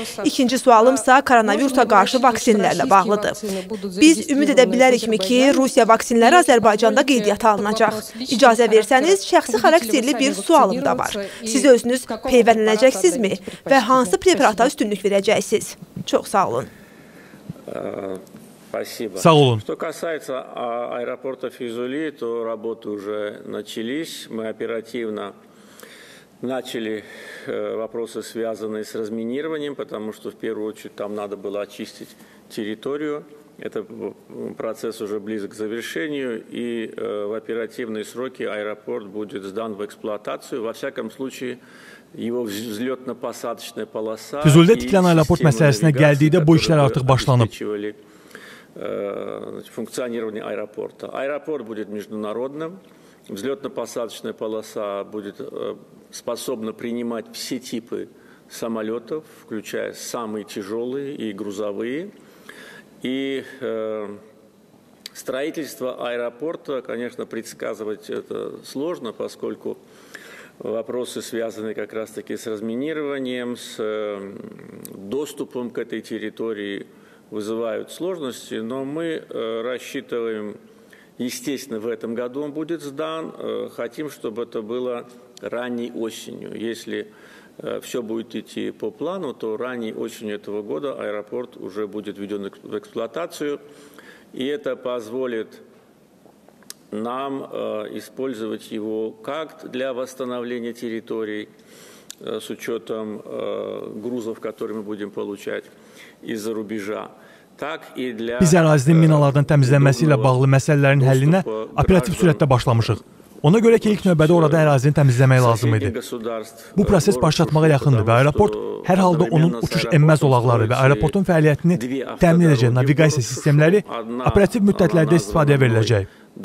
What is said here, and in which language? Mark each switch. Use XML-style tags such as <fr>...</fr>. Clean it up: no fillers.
<az>İkinci sualımsa koronavirusa qarşı vaksinlərlə bağlıdır. Biz ümid edə bilərikmi ki, Rusiya vaksinləri Azərbaycanda qeydiyyata alınacaq. İcazə versəniz, şəxsi xarakterli bir sualım da var. Siz özünüz peyvənlənəcəksinizmi və hansı preparata üstünlük verəcəksiniz? Çox sağ olun. Sağ olun.</az> <ru>Что касается аэропорта Физули, то работы уже начались. Мы оперативно начали вопросы, связанные с разминированием, потому что в первую очередь там надо было очистить территорию. Это процесс уже близок к завершению, и в оперативные сроки аэропорт будет сдан в эксплуатацию. Во всяком случае, его взлетно-посадочная полоса...</ru> <az>Füzulidə tikilən aeroport məsələsinə gəldikdə bu işlər artıq başlanıb.</az> <ru>Функционирование аэропорта. Аэропорт будет международным, взлетно-посадочная полоса будет способна принимать все типы самолетов, включая самые тяжелые и грузовые. И строительство аэропорта, конечно, предсказывать это сложно, поскольку вопросы связаны как раз-таки с разминированием, с доступом к этой территории вызывают сложности, но мы рассчитываем, естественно, в этом году он будет сдан, хотим, чтобы это было ранней осенью. Если все будет идти по плану, то ранней осенью этого года аэропорт уже будет введен в эксплуатацию, и это позволит нам использовать его как для восстановления территорий с учетом грузов, которые мы будем получать из-за рубежа.</ru> <az>Biz ərazinin minalardan təmizlənməsi ilə bağlı məsələlərin həllinə operativ sürətdə başlamışıq. Ona görə ki, ilk növbədə orada ərazini təmizləmək lazım idi. Bu proses başlatmağa yaxındır və aeroport hər halda onun uçuş enməz olaqları və aeroportun fəaliyyətini təmin edəcək navigasiya sistemləri operativ müddətlərdə istifadəyə veriləcək.</az>